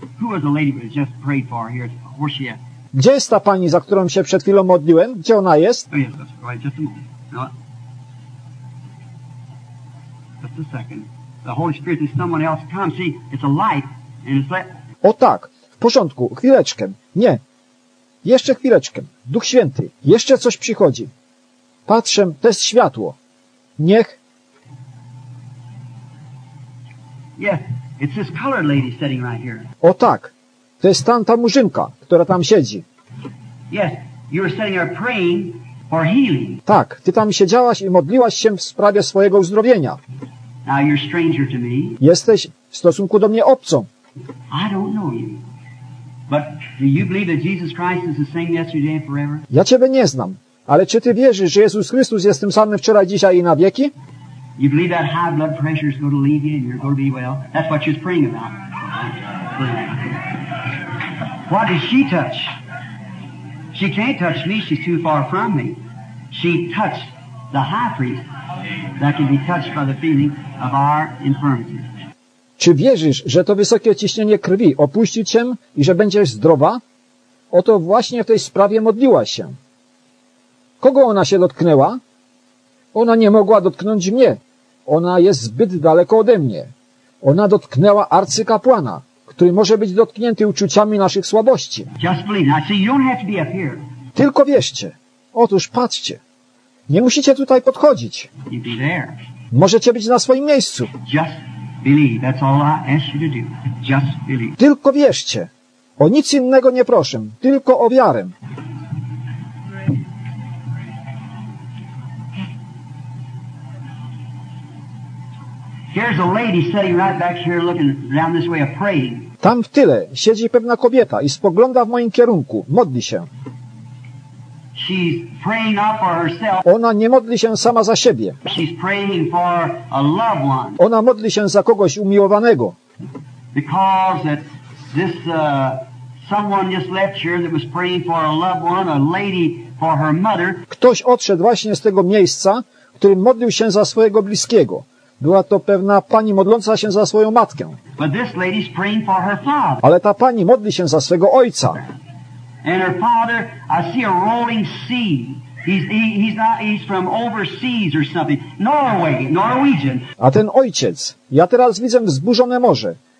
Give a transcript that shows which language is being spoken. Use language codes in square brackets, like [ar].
[en] Who was the lady we just prayed for here? Where she at? [pl] Gdzie jest ta pani, za którą się przed chwilą modliłem? Gdzie ona jest? [en] Oh, yes, that's right. Just a moment. Just a second. The Holy Spirit is someone else. Come, see, it's a light. And it's like... [pl] O tak, w porządku, chwileczkę. Nie. Jeszcze chwileczkę. Duch Święty, jeszcze coś przychodzi. Patrzę, to jest światło. Niech. [en] Yes, it's this colored lady sitting right here. [pl] O tak, to jest tamta murzynka, która tam siedzi. [en] Yes, you were sitting there praying for healing. [pl] Tak, ty tam siedziałaś i modliłaś się w sprawie swojego uzdrowienia. [en] Now you're stranger to me. [pl] Jesteś w stosunku do mnie obcą. [en] I don't know you. But do you believe that Jesus Christ is the same yesterday and forever? [pl] Ja ciebie nie znam, ale czy ty wierzysz, że Jezus Chrystus jest tym samym wczoraj, dzisiaj i na wieki? [en] You believe that high blood pressure is going to leave you and you're going to be well? That's what she's praying about. What does she touch? She can't touch me. She's too far from me. She touched the high priest that can be touched by the feeling of our infirmity. [pl] Czy wierzysz, że to wysokie ciśnienie krwi opuści cię i że będziesz zdrowa? Oto właśnie w tej sprawie modliłaś się. Kogo ona się dotknęła? Ona nie mogła dotknąć mnie. Ona jest zbyt daleko ode mnie. Ona dotknęła arcykapłana, który może być dotknięty uczuciami naszych słabości. [en] Just believe. Now, see, you don't have to be up here. [pl] Tylko wierzcie. Otóż patrzcie. Nie musicie tutaj podchodzić. [en] You'd be there. [pl] Możecie być na swoim miejscu. [en] Just believe. That's all I ask you to do. Just believe. [pl] Tylko wierzcie. O nic innego nie proszę. Tylko o wiarę. [en] Here's a lady sitting right back here looking down this way of praying. [pl] Tam w tyle siedzi pewna kobieta i spogląda w moim kierunku. Modli się. [en] She's praying not for herself. [pl] Ona nie modli się sama za siebie. [en] She's praying for a loved one. [pl] Ona modli się za kogoś umiłowanego. [en] Because that this someone just left here that was praying for a loved one, a lady for her mother. [pl] Ktoś odszedł właśnie z tego miejsca, który modlił się za swojego bliskiego. Była to pewna pani modląca się za swoją matkę. [en] But this lady's praying for her father. [pl] Ale ta pani modli się za swego ojca. [en] And her father, I see a rolling sea. He's from overseas or something. Norway, Norwegian. [pl] A ten ojciec, ja teraz widzę wzburzone morze.